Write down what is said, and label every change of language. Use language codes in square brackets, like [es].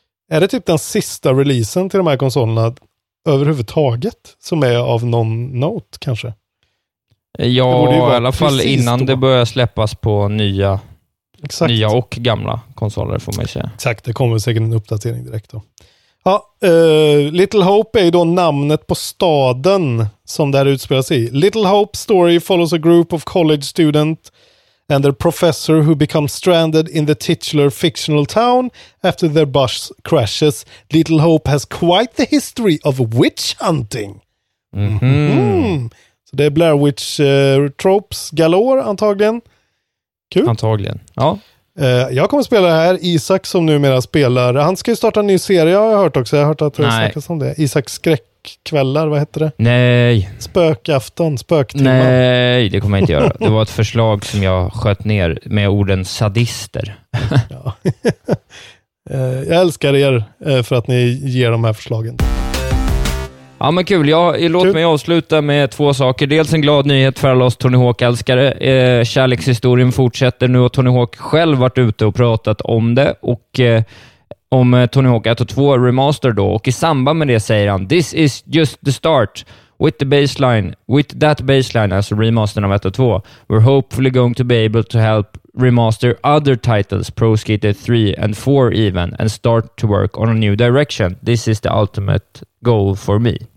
[sv] Är det typ den sista releasen till de här konsolerna överhuvudtaget som är av någon note kanske? Ja, i alla fall innan då det börjar släppas på nya, exakt, nya och gamla konsoler får man säga. Exakt, det kommer säkert en uppdatering direkt då. Ja, Little Hope är ju då namnet på staden som det här utspelas i. [en] Little Hope story follows a group of college students and their professor who becomes stranded in the titular fictional town after their bus crashes. Little Hope has quite the history of witch hunting. Mm-hmm. Mm. [sv] Så det är Blair Witch [en] tropes galore [sv] antagligen. Kul. Antagligen, ja. Jag kommer spela det här. Isak som numera spelar. Han ska ju starta en ny serie, har jag hört också. Jag har hört att det snackas om det. Isak skräckkvällar, vad heter det? Nej. Spökafton, spöktimma. Nej, det kommer jag inte göra. Det var ett förslag som jag sköt ner med orden sadister. Jag älskar er för att ni ger de här förslagen. Ja, men kul. Låt mig avsluta med två saker. Dels en glad nyhet för alla oss Tony Hawk-älskare. Kärlekshistorien fortsätter nu och Tony Hawk själv varit ute och pratat om det. Och om Tony Hawk 1 och 2 remaster då. Och i samband med det säger han: [en] "This is just the start. With the baseline, with that baseline, [sv] alltså remastern av 1 och 2, [en] we're hopefully going to be able to help remaster other titles, Pro Skater 3 and 4 even, and start to work on a new direction. This is the ultimate goal for me."